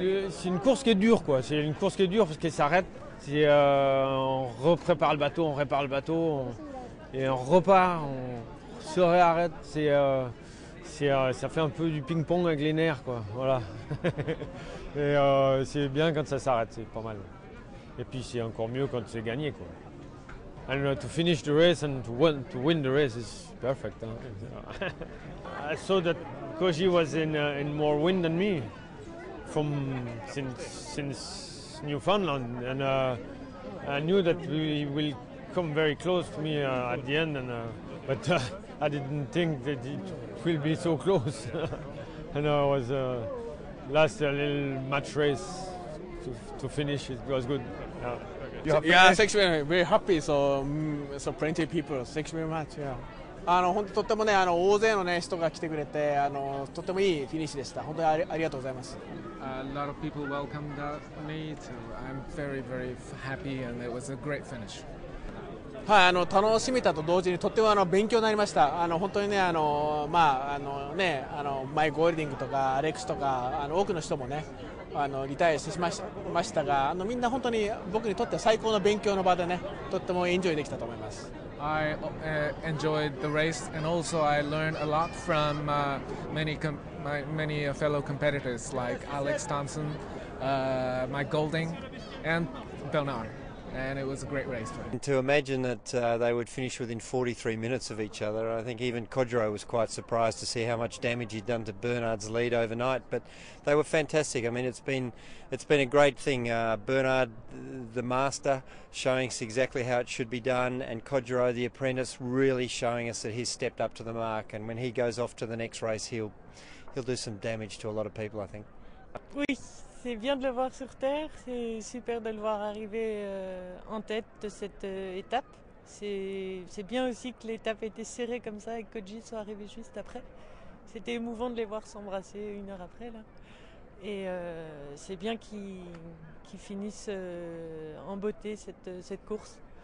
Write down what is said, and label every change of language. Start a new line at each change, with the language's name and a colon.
French: C'est une course qui est dure, quoi. C'est une course qui est dure parce qu'elle s'arrête. On reprépare le bateau, on répare le bateau, et on repart, on se réarrête. Ça fait un peu du ping-pong avec les nerfs, quoi. Voilà. C'est bien quand ça s'arrête, c'est pas mal. Et puis c'est encore mieux quand c'est gagné, quoi.
English: I don't know, to finish the race and to win the race is perfect. Huh? I saw that Koji was in more wind than me from since Newfoundland, and I knew that he will come very close to me at the end, and but I didn't think that it will be so close. And I was last a little match race to finish. It was good. Yeah. Yeah, thanks very much. Very happy, so plenty of people. Thanks very much, yeah.
Japanese: あの本当にとても、ね、あの大勢の、ね、人が来てくれてあのとてもいいフィニッシュでした。本当にありがとうございます。
English: A lot of people welcomed me to. I'm very very happy and it was a great finish.
Japanese: はい、あの楽しみたと同時にとてもあの勉強になりました。あの本当にね、あの、まあ、あのね、あのマイ・ゴールディングとかアレックスとかあの多くの人もね、あのリタイアしてしまいましたが、あのみんな本当に僕にとって最高の勉強の場でね、とってもエンジョイできたと思います。
English: I enjoyed the race and also I learned a lot from many fellow competitors like Alex Thompson, Mike Golding and Bernard. And it was a great race for me. To imagine that they would finish within 43 minutes of each other, I think even Kodjo was quite surprised to see how much damage he'd done to Bernard's lead overnight. But they were fantastic. I mean, it's been a great thing. Bernard, the master, showing us exactly how it should be done, and Kodjo, the apprentice, really showing us that he's stepped up to the mark. And when he goes off to the next race, he'll do some damage to a lot of people, I think.
French: Oui. C'est bien de le voir sur Terre, c'est super de le voir arriver en tête de cette étape. C'est bien aussi que l'étape ait été serrée comme ça et que Koji soit arrivé juste après. C'était émouvant de les voir s'embrasser une heure après. Là. Et c'est bien qu'ils finissent en beauté cette course.